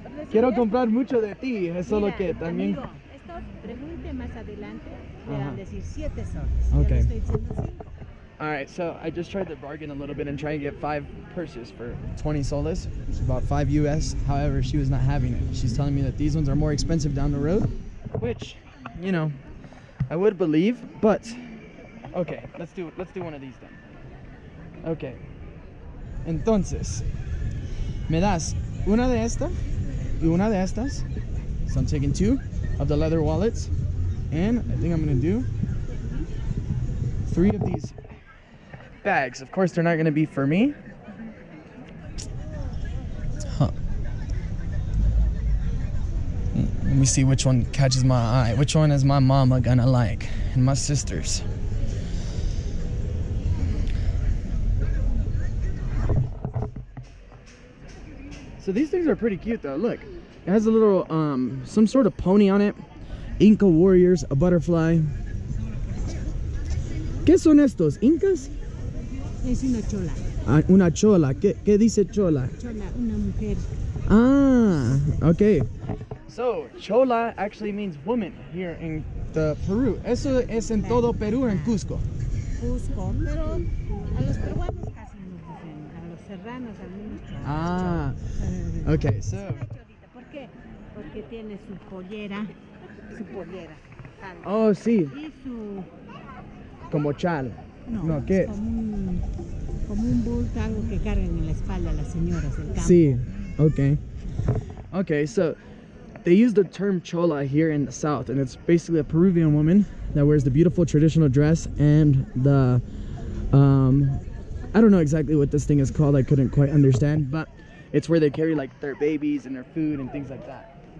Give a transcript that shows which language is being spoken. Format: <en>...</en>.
<es>quiero comprar mucho de ti, es solo que también. Amigo, esto pregunte más adelante, me van a decir 7 soles. Okay. Yo le estoy diciendo 5.</es> <en>All right, so I just tried to bargain a little bit and try and get 5 purses for 20 soles, which is about 5 US. However, she was not having it. She's telling me that these ones are more expensive down the road, which, you know, I would believe, but okay, let's do one of these then. Okay.</en> <es>Entonces, me das una de estas y una de estas.</es> <en>So I'm taking 2 of the leather wallets, and I think I'm going to do 3 of these bags. Of course, they're not going to be for me. Huh. Let me see which one catches my eye. Which one is my mama gonna like? And my sisters. So these things are pretty cute though. Look, it has a little, some sort of pony on it. Inca warriors, a butterfly.</en> <es>¿Qué son estos? Incas? Es una chola. Ah, una chola. ¿Qué dice chola? Chola, una mujer.</es> <en>Ah, okay. So, chola actually means woman here in the Peru.</en> <es>Eso es en todo Perú, en Cusco. Cusco, pero a los peruanos casi no dicen, a los serranos algunos. Ah, chola. Okay, so. ¿Por qué? Porque tiene su pollera. Su pollera. Tal. Oh, sí. Y su... Como chal. No, ¿qué? Como un bulto, algo que cargan en la espalda las señoras del campo. Sí, okay.</es> <en>Okay, so they use the term chola here in the south, and it's basically a Peruvian woman that wears the beautiful traditional dress and the, I don't know exactly what this thing is called, I couldn't quite understand, but it's where they carry like their babies and their food and things like that.</en>